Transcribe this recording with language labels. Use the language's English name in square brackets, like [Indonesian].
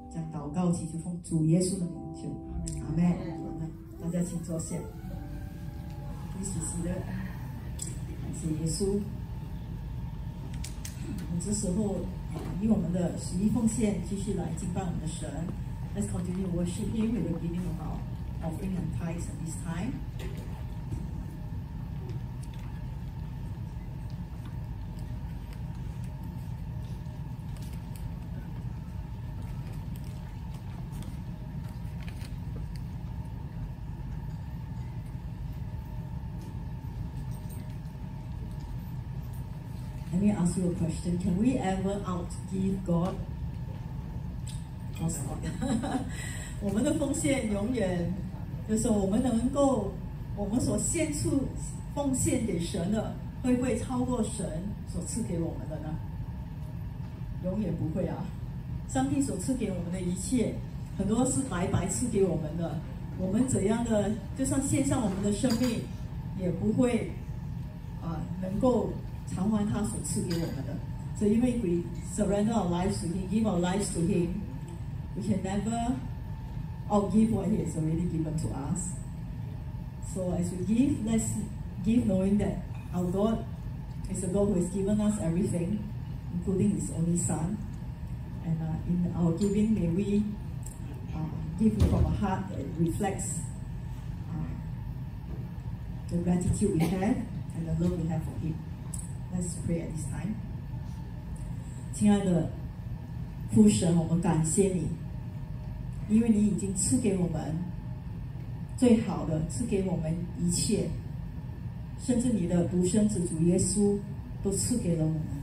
[Chinese] 这样祷告祈求奉主耶稣的名求，阿们。大家请坐下，一起起的感谢耶稣。我们这时候以我们的十一奉献继续来敬拜我们的神。 [English] Let's continue worshiping with the giving of our offering and tithes at this time。 Ask you a question. Can we ever outgive God? [Chinese] Also, 我们的奉献永远就是我们能够我们所献出奉献给神的，会不会超过神所赐给我们的呢？永远不会啊！上帝所赐给我们的一切，很多是白白赐给我们的。我们怎样的，就算献上我们的生命，也不会能够偿还他所赐给我们的。 [English] So even if we surrender our lives to him, give our lives to him, we can never outgive what he has already given to us. So as we give, let's give knowing that our God is a God who has given us everything, including his only son. And in our giving, may we give from a heart that reflects the gratitude we have and the love we have for him. Let's pray at this time. [Chinese] 亲爱的父神，我们感谢你，因为你已经赐给我们最好的，赐给我们一切，甚至你的独生子主耶稣都赐给了我们。